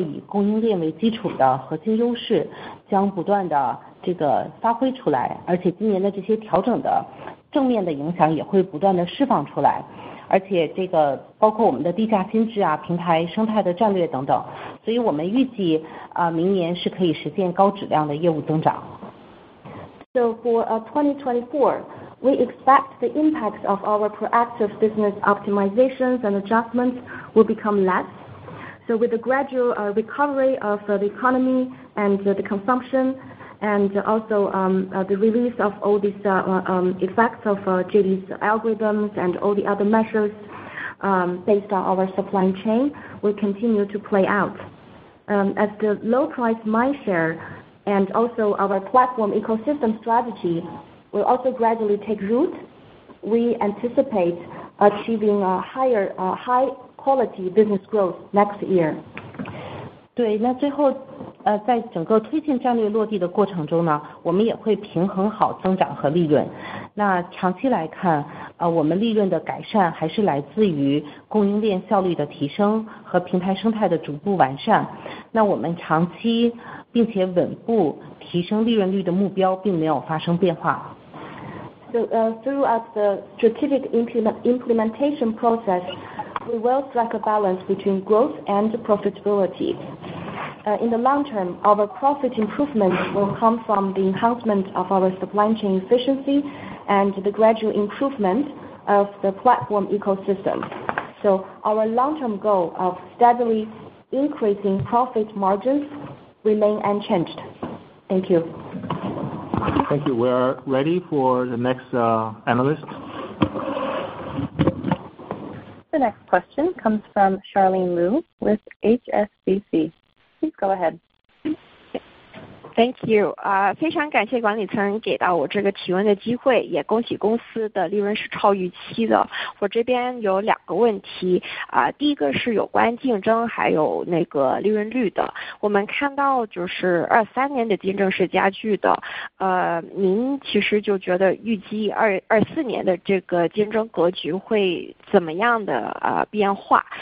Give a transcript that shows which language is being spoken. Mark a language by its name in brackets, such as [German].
[Chinese] 那我们会预计，就是一个是我们今年业务这个主动优化调整的影响会减弱。那么同时呢，随着经济和消费的逐步恢复，以及今年我们一系列在这个策略上的调整和我们的这些算法和系统的优化，那么我们整个以供应链为基础的核心优势将不断的这个发挥出来，而且今年的这些调整的。正面的影响也会不断的释放出来，而且这个包括我们的地价新制啊，平台生态的战略等等，所以我们预计明年是可以实现高质量的业务增长。 [English] So for 2024, we expect the impacts of our proactive business optimizations and adjustments will become less. So with the gradual recovery of the economy and the consumption,and also the release of all these effects of JD's algorithms and all the other measures based on our supply chain will continue to play out. As the low price mindshare and also our platform ecosystem strategy will also gradually take root, we anticipate achieving a higher, high quality business growth next year. [Chinese] 对，那最后，在整个推进战略落地的过程中呢，我们也会平衡好增长和利润。那长期来看，我们利润的改善还是来自于供应链效率的提升和平台生态的逐步完善。那我们长期并且稳步提升利润率的目标并没有发生变化。 [English] So, throughout the strategic implementation process, we will strike a balance between growth and profitability. In the long term, our profit improvement will come from the enhancement of our supply chain efficiency and the gradual improvement of the platform ecosystem. So, our long-term goal of steadily increasing profit margins remains unchanged. Thank you. Thank you. We are ready for the next analyst. The next question comes from Charlene Liu with HSBC. Please go ahead. Thank you. [Chinese] 非常感谢管理层给到我这个提问的机会，也恭喜公司的利润是超预期的。我这边有两个问题，第一个是有关竞争还有那个利润率的。我们看到就是23年的竞争是加剧的，您其实就觉得预计2024年的这个竞争格局会怎么样的变化？